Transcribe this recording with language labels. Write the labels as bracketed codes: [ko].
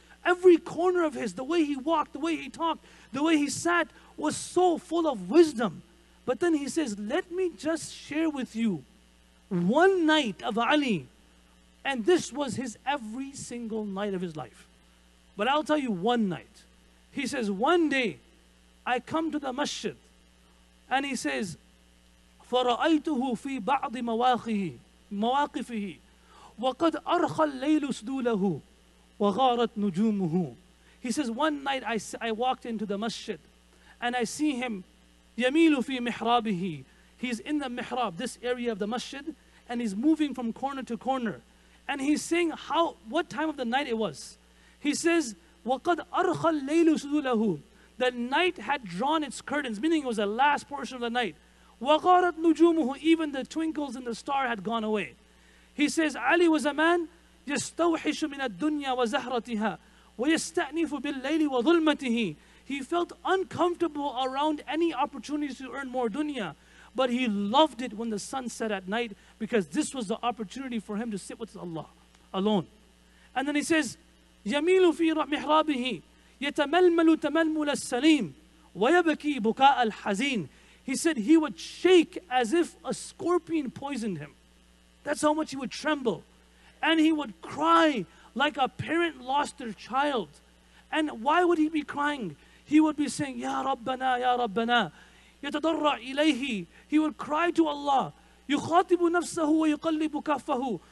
[en] Every corner of his, the way he walked, the way he talked, the way he sat, was so full of wisdom. But then he says, "Let me just share with you one night of Ali." And this was his every single night of his life. But I'll tell you one night. He says, "One day, I come to the masjid." And he says, [ar] فَرَأَيْتُهُ فِي بَعْضِ مَوَاقِفِهِ وَقَدْ أَرْخَ اللَّيْلُ سُدُولَهُ وَغَارَتْ نُجُومُهُ. [en] He says, "One night I walked into the masjid and I see him [ar] يَمِيلُ فِي مِحْرَابِهِ. [en] He's in the mihrab, this area of the masjid, and he's moving from corner to corner. And he's saying how, what time of the night it was. He says, [ar] وَقَدْ أَرْخَ اللَّيْلُ سُدُولَهُ. [en] The night had drawn its curtains, meaning it was the last portion of the night. [ar] وَغَارَتْ نُجُومُهُ. [en] Even the twinkles in the star had gone away. He says, Ali was a man, [ar] يَسْتَوْحِشُ مِنَ الدُّنْيَا وَزَهْرَتِهَا وَيَسْتَأْنِفُ بِاللَّيْلِ وَظُلْمَتِهِ. [en] He felt uncomfortable around any opportunities to earn more dunya. But he loved it when the sun set at night, because this was the opportunity for him to sit with Allah alone. And then he says, [ar] يَمِيلُ فِي مِحْرَابِهِ يَتَمَلْمَلُ تَمَلْمُلَ السَّلِيمِ وَيَبَكِي بُكَاءَ الْحَزِينِ. [en] He said he would shake as if a scorpion poisoned him. That's how much he would tremble. And he would cry like a parent lost their child. And why would he be crying? He would be saying, Ya Rabbana, Ya Rabbana. [ar] يَتَضَرَّعْ إِلَيْهِ. [en] He would cry to Allah. [ar] يُخَاطِبُ نَفْسَهُ وَيُقَلِّبُ كَفَّهُ.